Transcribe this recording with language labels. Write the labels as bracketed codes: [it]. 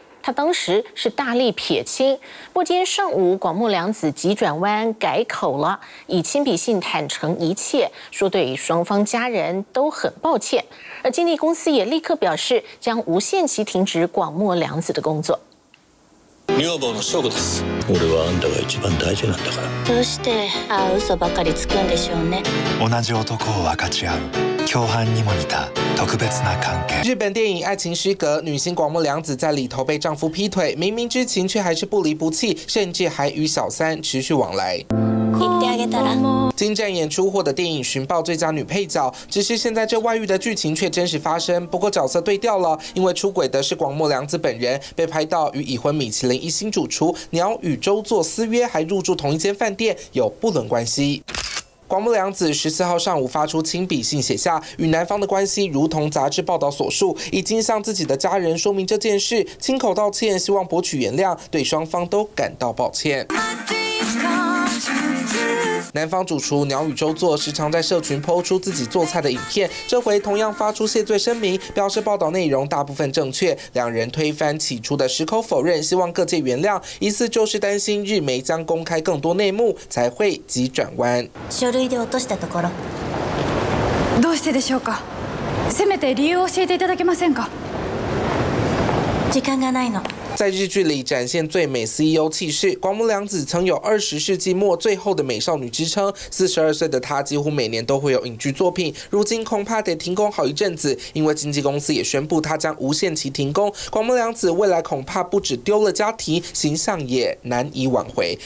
[zh] 他当时是大力撇清，不过今天上午广末凉子急转弯改口了，以亲笔信坦诚一切，说对双方家人都很抱歉。而经纪公司也立刻表示将无限期停止广末凉子的工作。 [ja] 女房の翔子です。俺はあんたが一番大事なんだから。どうしてああ嘘ばかりつくんでしょうね。同じ男を分かち合う共犯にも似た特別な関係。 [zh] 日本电影《爱情失格》，女星广末凉子在里头被丈夫劈腿，明明知情却还是不离不弃，甚至还与小三持续往来。精湛演出获得电影寻报最佳女配角，只是现在这外遇的剧情却真实发生。不过角色对调了，因为出轨的是广末凉子本人，被拍到与已婚米其林一星主厨鸟羽周作私约，还入住同一间饭店，有不伦关系。广末凉子14号上午发出亲笔信，写下与男方的关系如同杂志报道所述，已经向自己的家人说明这件事，亲口道歉，希望博取原谅，对双方都感到抱歉。男方主厨鸟羽周作时常在社群po出自己做菜的影片，这回同样发出谢罪声明，表示报道内容大部分正确，两人推翻起初的矢口否认，希望各界原谅，疑似就是担心日媒将公开更多内幕才会急转弯。 [ja] 書類で落としたところ、どうしてでしょうか、せめて理由を教えていただけませんか。時間がないの。 [zh] 在日剧里展现最美 CEO 气势，广末凉子曾有二十世纪末最后的美少女之称。 42岁的她几乎每年都会有影剧作品，如今恐怕得停工好一阵子，因为经纪公司也宣布她将无限期停工。广末凉子未来恐怕不止丢了家庭，形象也难以挽回。